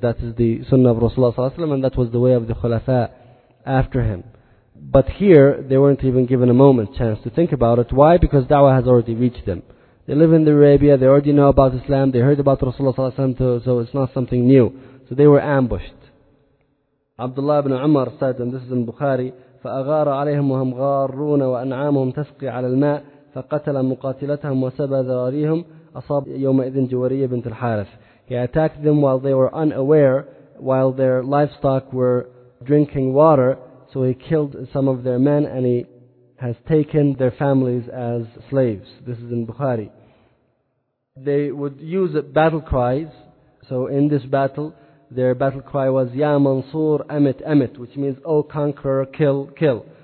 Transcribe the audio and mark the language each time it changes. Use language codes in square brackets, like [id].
[en] That is the sunnah of Rasulullah ﷺ, and that was the way of the khulafa after him. But here, they weren't even given a moment chance to think about it. Why? Because da'wah has already reached them. They live in the Arabia, they already know about Islam, they heard about Rasulullah ﷺ, so it's not something new. So they were ambushed. Abdullah ibn Umar said, and this is in Bukhari, [ar] فَأَغَارَ عَلَيْهِمْ وَهُمْ غَارُونَ وَأَنْعَامُهُمْ تَسْقِي عَلَى الْمَاءِ فَقَتَلَ مُقَاتِلَتَهُمْ وَسَبَى ذَوَارِيهُمْ أَصَابْ يَوْمَئِذٍ جُوَرِيَ بِنْتِ الْحَارِثِ. [en] He attacked them while they were unaware, while their livestock were drinking water, so he killed some of their men and he has taken their families as slaves. This is in Bukhari. They would use battle cries. So in this battle, their battle cry was, [ar] Ya Mansur Amit Amit, [en] which means, O conqueror, kill, kill.